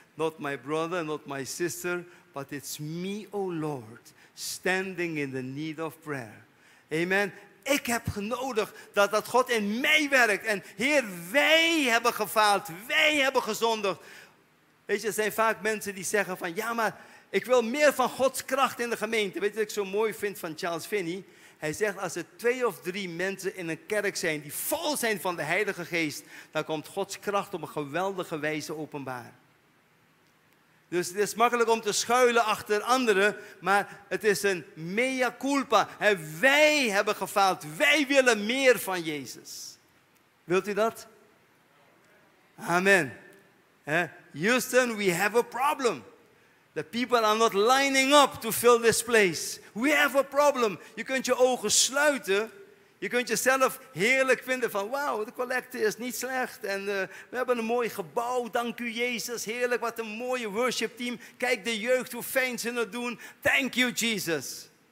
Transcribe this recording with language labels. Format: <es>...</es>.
<en>Not my brother, not my sister, but it's me, O Lord. Standing in the need of prayer. Amen.</en> <nl>Ik heb nodig dat God in mij werkt. En Heer, wij hebben gefaald. Wij hebben gezondigd. Weet je, er zijn vaak mensen die zeggen van, ja, maar ik wil meer van Gods kracht in de gemeente. Weet je wat ik zo mooi vind van Charles Finney? Hij zegt, als er 2 of 3 mensen in een kerk zijn die vol zijn van de Heilige Geest, dan komt Gods kracht op een geweldige wijze openbaar. Dus het is makkelijk om te schuilen achter anderen, maar het is een mea culpa. En wij hebben gefaald. Wij willen meer van Jezus. Wilt u dat?</nl> <en>Amen. Houston, we have a problem. The people are not lining up to fill this place. We have a problem.</en> <nl>Je kunt je ogen sluiten. Je kunt jezelf heerlijk vinden van, wauw, de collecte is niet slecht. En we hebben een mooi gebouw, dank u Jezus. Heerlijk, wat een mooie worship team. Kijk de jeugd, hoe fijn ze het doen.</nl> <en>Thank you Jesus.</en>